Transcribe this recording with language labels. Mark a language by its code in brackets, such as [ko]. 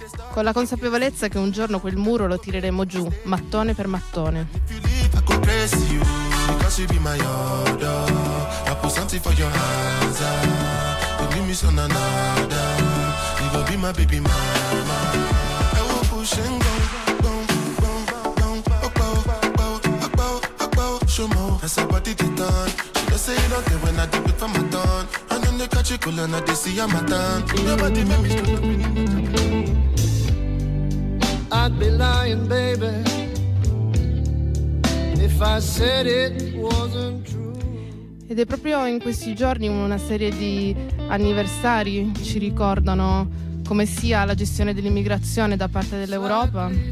[it] Con la consapevolezza che un giorno quel muro lo tireremo giù, mattone per mattone. [en] I'd be lying, baby, if I said it wasn't true. [it] Ed è proprio in questi giorni una serie di anniversari ci ricordano come sia la gestione dell'immigrazione da parte dell'Europa.